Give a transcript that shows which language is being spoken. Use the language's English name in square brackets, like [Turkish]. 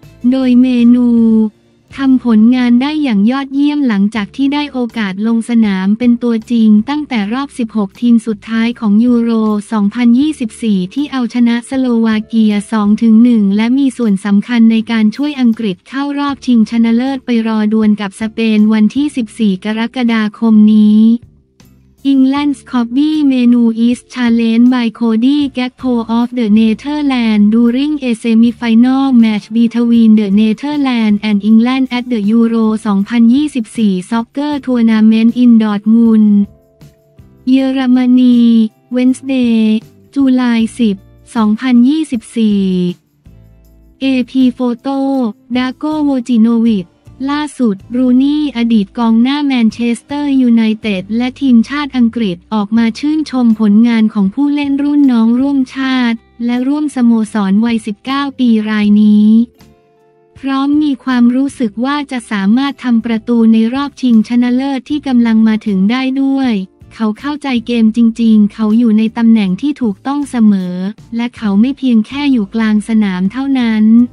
[Thai] โดยเมนูทำผลงานได้อย่างยอดเยี่ยมหลังจากที่ได้โอกาสลงสนามเป็นตัวจริงตั้งแต่รอบ16ทีมสุดท้ายของยูโร2024ที่เอาชนะสโลวาเกีย 2-1 และมีส่วนสำคัญในการช่วยอังกฤษเข้ารอบชิงชนะเลิศไปรอดวลกับสเปนวันที่14กรกฎาคมนี้ [English] England's Coffee Menu is challenged by Cody Gakpo of the Netherlands during a semi-final match between the Netherlands and England at the Euro 2024 Soccer Tournament in Dortmund, Germany, Wednesday, July 10, 2024. AP Photo, Darko Vojinovic. [Thai] ล่าสุดรูนี่อดีตกองหน้าแมนเชสเตอร์ยูไนเต็ดและทีมชาติอังกฤษออกมาชื่นชมผลงานของผู้เล่นรุ่นน้องร่วมชาติและร่วมสโมสรวัย19ปีรายนี้พร้อมมีความรู้สึกว่าจะสามารถทำประตูในรอบชิงชนะเลิศที่กำลังมาถึงได้ด้วยเขาเข้าใจเกมจริงๆเขาอยู่ในตำแหน่งที่ถูกต้องเสมอและเขาไม่เพียงแค่อยู่กลางสนามเท่านั้น